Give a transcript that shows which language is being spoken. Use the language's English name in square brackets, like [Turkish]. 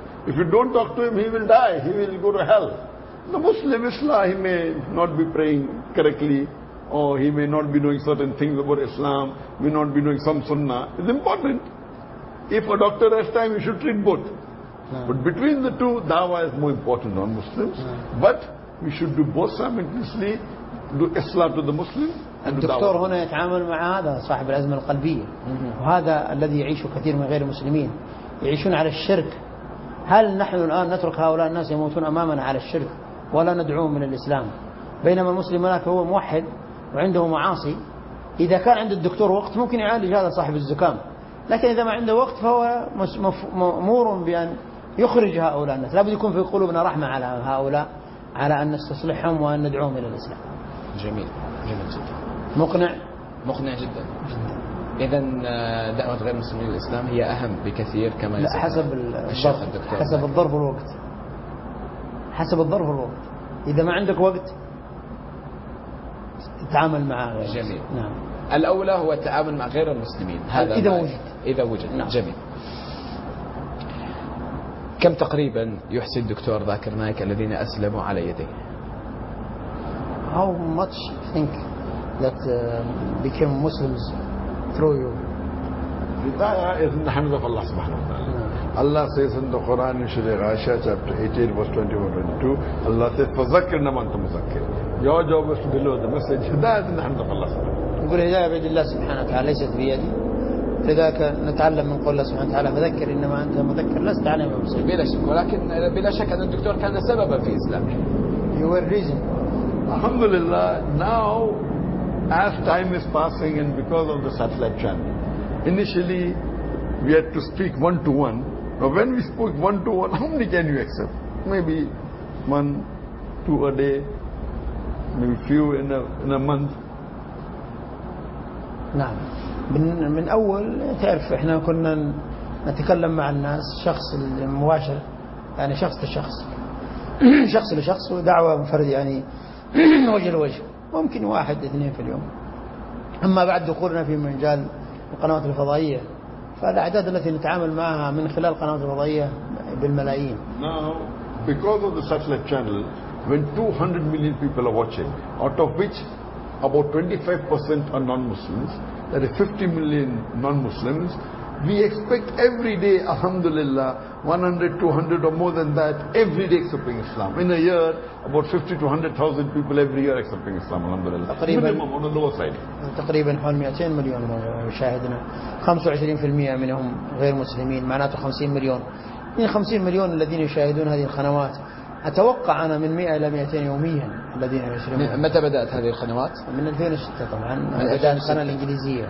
[English] If you don't talk to him, he will die. He will go to hell. The Muslim Islam, he may not be praying correctly, or he may not be knowing certain things about Islam, may not be knowing some sunnah. It's important. If a doctor has time, you should treat both. But between the two, dawah is more important than non-Muslims. But we should do both simultaneously, do islah to the Muslim. [Arabic] الدكتور هنا يتعامل مع هذا صاحب الأزمة القلبية، وهذا الذي يعيشه كثير من غير المسلمين، يعيشون على الشرك. هل نحن الآن نترك هؤلاء الناس يموتون أمامنا على الشرك ولا ندعوهم من الإسلام، بينما المسلم هناك هو موحد وعنده معاصي؟ إذا كان عند الدكتور وقت ممكن يعالج هذا صاحب الزكام، لكن إذا ما عنده وقت فهو مأمور بأن يخرج هؤلاء الناس. لابد يكون في قلوبنا رحمة على هؤلاء، على أن نستصلحهم وأن ندعوهم إلى الإسلام. جميل جدا. مقنع مقنع جدا. إذن دعوة غير المسلمين للإسلام هي أهم بكثير كما يسمى حسب الشيخ الدكتور، حسب الظرف والوقت، حسب الظرف والوقت. إذا ما عندك وقت تتعامل مع غير جميل نعم. الأولى هو التعامل مع غير المسلمين هذا إذا وجد، إذا وجد نعم. جميل. كم تقريبا يحسن الدكتور ذاكر نايك الذين أسلموا على يديه؟ [English] How much think that became Muslims through you? Hidayah is in the hands of Allah subhanahu wa ta'ala. Allah says in the Quran in Surah Ghashiyah chapter 18 verse 21-22, Allah says, [Arabic] فَذَكِّرْنَا مَنْ تُمُذَكِّرْ. [English] Your job is to deliver the message. Hidayah is in the hands of Allah subhanahu wa ta'ala. Hidayah is in the hands of Allah subhanahu wa ta'ala. [Arabic] لذلك نتعلم من قول الله سبحانه وتعالى فذكر إنما أنت مذكر لست عليهم بمسؤول. بلا شك، ولكن بلا شك أن الدكتور كان سببا في إسلامه. [English] You were reason. [Arabic] الحمد لله. [English] Now as time is passing and because of the satellite channel, initially we had to speak one to one. But when we spoke one to one, how many can you accept? Maybe one, two a day, maybe few in a month. [Arabic] نعم. من أول تعرف إحنا كنا نتكلم مع الناس شخص المباشر، يعني شخص لشخص، شخص لشخص، ودعوة منفرد يعني وجه لوجه، ممكن واحد اثنين في اليوم. أما بعد دخولنا في مجال القنوات الفضائية فالأعداد التي نتعامل معها من خلال القنوات الفضائية بالملايين. [English] Now because of the satellite channel, when 200 million people are watching, out of which about 25% are non-Muslims, that is 50 million non-Muslims, we expect every day, alhamdulillah, 100, 200 or more than that, every day accepting Islam. In a year, about 50 to 100,000 people every year accepting Islam, alhamdulillah. Minimum on the lower side. [Arabic] تقريبا حول 200 مليون مشاهدنا، 25% منهم غير مسلمين، معناته 50 مليون. من 50 مليون الذين يشاهدون هذه القنوات، أتوقع أنا من 100 إلى 200 يوميا الذين يشاهدون. متى بدأت هذه القنوات؟ من 2006 طبعا، بدأت القناة الإنجليزية